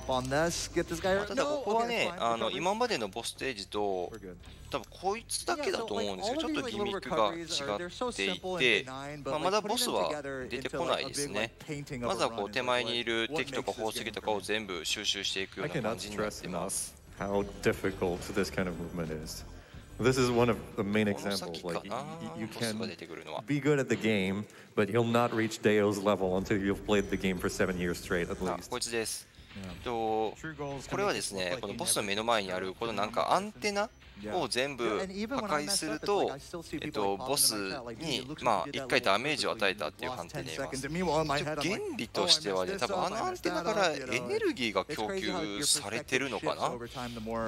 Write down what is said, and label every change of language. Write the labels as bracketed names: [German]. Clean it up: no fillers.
[Japanese] ただここはね、今までのボスステージと多分こいつだけだと思うんですよ。ちょっとギミックが違っていて、まだボスは出てこないですね。まずはこう手前にいる敵とか宝石とかを全部収集していくような感じになっています。 [English] How difficult this kind of movement is. This is one of the main examples. Like, you can be good at the game, but you'll not reach Deo's level until you've played the game for 7 years straight at least. [Japanese] こいつです。これはですね、このボスの目の前にあるこのなんかアンテナを全部破壊すると、ボスに、1回ダメージを与えたっていう判定になります。原理としては、ね、多分あのアンテナからエネルギーが供給されてるのかな。